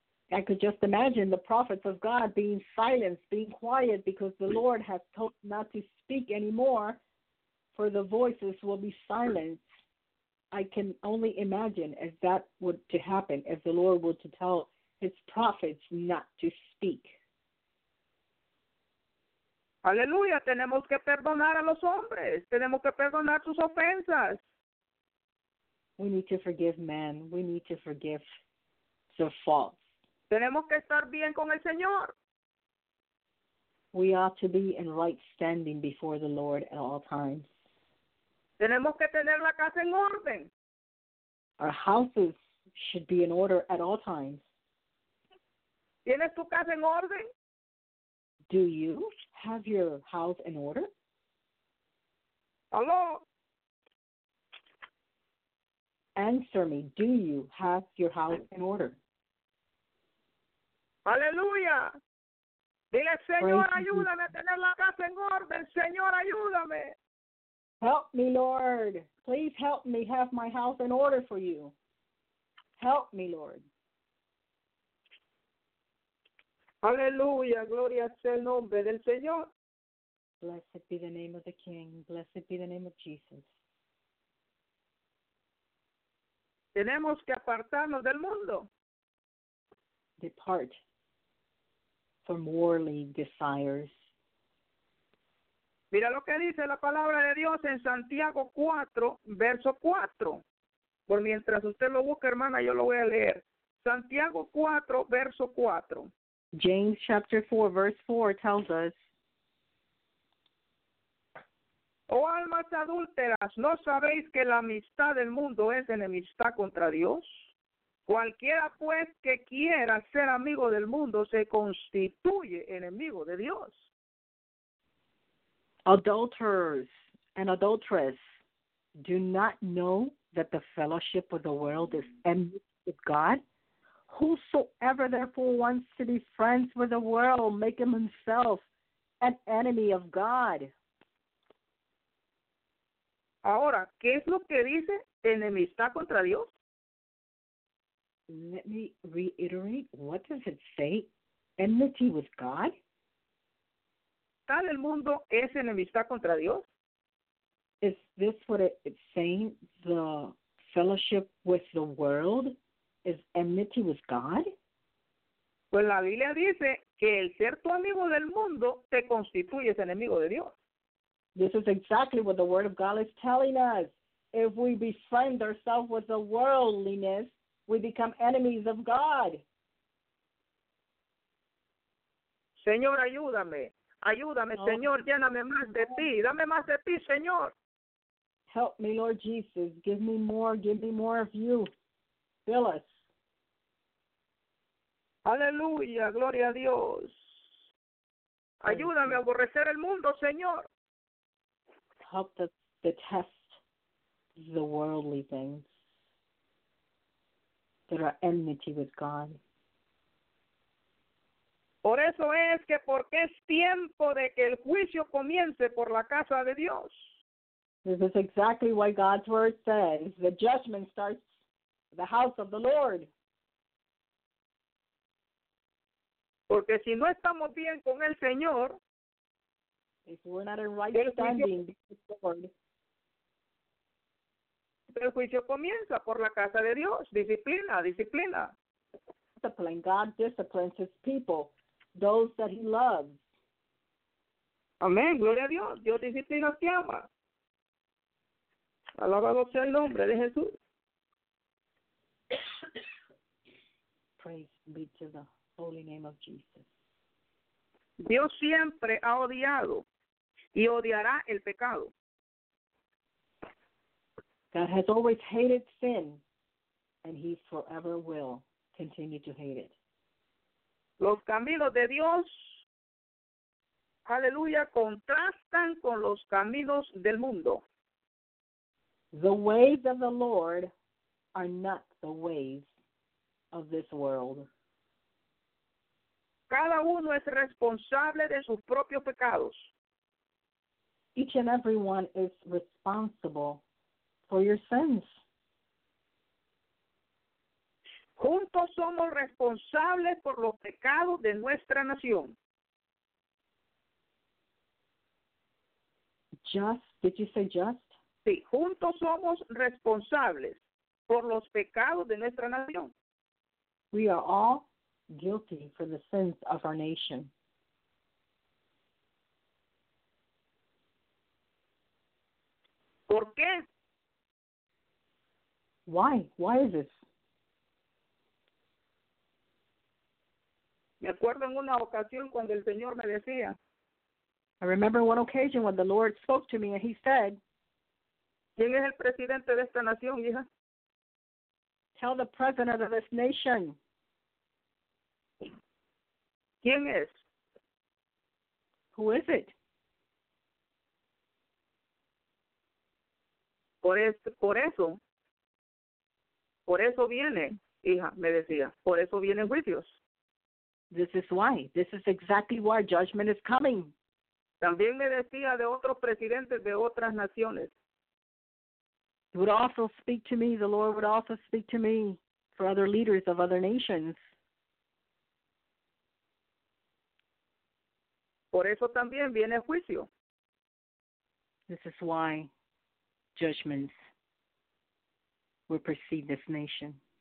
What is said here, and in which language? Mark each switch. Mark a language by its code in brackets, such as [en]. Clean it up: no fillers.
[en] I could just imagine the prophets of God being silenced, being quiet, because the Lord has told not to speak anymore, for the voices will be silenced. I can only imagine if that would to happen, if the Lord were to tell His prophets not to speak. [es] Aleluya, tenemos que perdonar a los hombres, tenemos que perdonar sus ofensas. [en] We need to forgive men, we need to forgive the faults. [es] Tenemos que estar bien con el Señor. [en] We ought to be in right standing before the Lord at all times. [es] Tenemos que tener la casa en orden. [en] Our houses should be in order at all times. [es] ¿Tienes tu casa en orden? [en] Do you have your house in order? Hello? Answer me. Do you have your house in order? [es] Aleluya. Dile, Señor, ayúdame a tener la casa en orden. Señor, ayúdame. [en] Help me, Lord. Please help me have my house in order for you. Help me, Lord. [es] Aleluya. Gloria sea el nombre del Señor. [en] Blessed be the name of the King. Blessed be the name of Jesus. [es] Tenemos que apartarnos del mundo. [en] Depart from worldly desires. [es] Mira lo que dice la palabra de Dios en Santiago 4, verso 4. Por mientras usted lo busca, hermana, yo lo voy a leer. Santiago 4, verso 4. [en] James chapter 4, verse 4 tells us, [es] oh almas adúlteras, ¿no sabéis que la amistad del mundo es enemistad contra Dios? Cualquiera pues que quiera ser amigo del mundo se constituye enemigo de Dios. [en] Adulterers and adulteresses, do not know that the fellowship of the world is enmity with God? Whosoever therefore wants to be friends with the world, make him himself an enemy of God. [es] Ahora, ¿qué es lo que dice enemistad contra Dios? [en] Let me reiterate, what does it say? Enmity with God? [es] ¿Tal el mundo es enemistad contra Dios? [en] is this what it's saying? The fellowship with the world is enmity with God? [es] Pues la Biblia dice que el ser tu amigo del mundo te constituye enemigo de Dios. [en] This is exactly what the Word of God is telling us. If we befriend ourselves with the worldliness, we become enemies of God. [es] Señor, ayúdame. Ayúdame, oh. Señor, lléname más de ti. Dame más de ti, Señor. [en] Help me, Lord Jesus. Give me more of you. Fill us. [es] Aleluya, gloria a Dios. Ayúdame a aborrecer el mundo, Señor. [en] Help to detest the worldly things that are enmity with God. [es] Por eso es que porque es tiempo de que el juicio comience por la casa de Dios. [en] This is exactly why God's word says the judgment starts the house of the Lord. [es] Porque si no estamos bien con el Señor, [en] if we're not in right standing with the Lord, [es] el juicio comienza por la casa de Dios. Disciplina, disciplina. [en] Discipline. God disciplines his people, those that he loves. [es] Amén, gloria a Dios. Dios disciplina a quien ama. Alabado sea el nombre de Jesús. [en] Praise be to the holy name of Jesus. [es] Dios siempre ha odiado y odiará el pecado. [en] God has always hated sin, and he forever will continue to hate it. [es] Los caminos de Dios, aleluya, contrastan con los caminos del mundo. [en] The ways of the Lord are not the ways of this world. [es] Cada uno es responsable de sus propios pecados. [en] Each and every one is responsible for your sins. [es] Juntos somos responsables por los pecados de nuestra nación. [en] Just, did you say just? [es] Sí, juntos somos responsables por los pecados de nuestra nación. [en] We are all guilty for the sins of our nation. [es] ¿Por qué? [en] Why? Why is this? [es] Me acuerdo en una ocasión cuando el Señor me decía. [en] I remember one occasion when the Lord spoke to me and he said, [es] ¿quién es el presidente de esta nación, hija? [en] Tell the president of this nation. [es] ¿Quién es? [en] Who is it? [es] Por eso viene, hija, me decía. Por eso vienen juicios. [en] This is why. This is exactly why judgment is coming. [es] También me decía de otros presidentes de otras naciones. [en] He would also speak to me, the Lord would also speak to me for other leaders of other nations. [es] Por eso también viene juicio. [en] This is why judgments will precede this nation.